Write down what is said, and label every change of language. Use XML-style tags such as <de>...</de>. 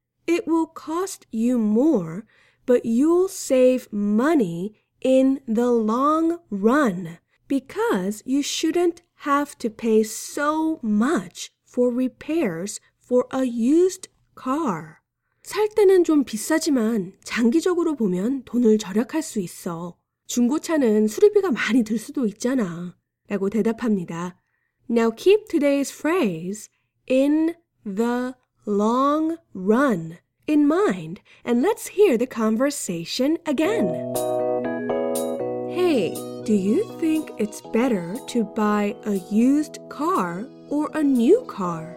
<en>It will cost you more, but you'll save money in the long run because you shouldn't have to pay so much for repairs for a used car.</en> <ko>살 때는 좀 비싸지만 장기적으로 보면 돈을 절약할 수 있어. 중고차는 수리비가 많이 들 수도 있잖아. 라고 대답합니다.</ko> <en>Now keep today's phrase in the long run in mind and let's hear the conversation again. Hey, do you think it's better to buy a used car or a new car?</en>